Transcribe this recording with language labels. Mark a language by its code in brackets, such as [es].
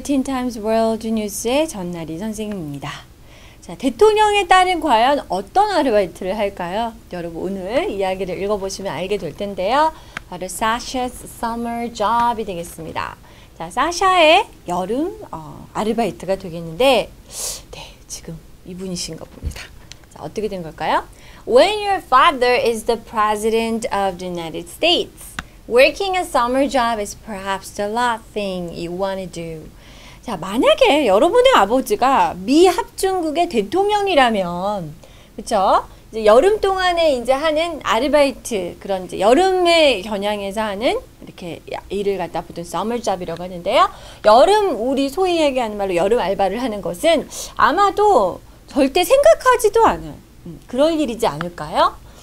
[ko] 틴타임즈 월드뉴스의 전나리 선생님입니다. 자, 대통령의 딸은 과연 어떤 아르바이트를 할까요? 여러분 오늘 이야기를 읽어보시면 알게 될 텐데요. 바로 [en] Sasha's summer job [ko] 이 되겠습니다. 자, Sasha의 여름 아르바이트가 되겠는데 네, 지금 이분이신가 봅니다. 자, 어떻게 된 걸까요? [en] When your father is the president of the United States, working a summer job is perhaps the last thing you want to do. [ko] 자, 만약에 여러분의 아버지가 미 합중국의 대통령이라면, 그렇죠? 이제 여름 동안에 이제 하는 아르바이트, 그런 이제 여름에 겨냥해서 하는 이렇게 일을 갖다 보통 summer job이라고 하는데요. 여름 우리 소위 얘기하는 말로 여름 알바를 하는 것은 아마도 절대 생각하지도 않은 그런 일이지 않을까요?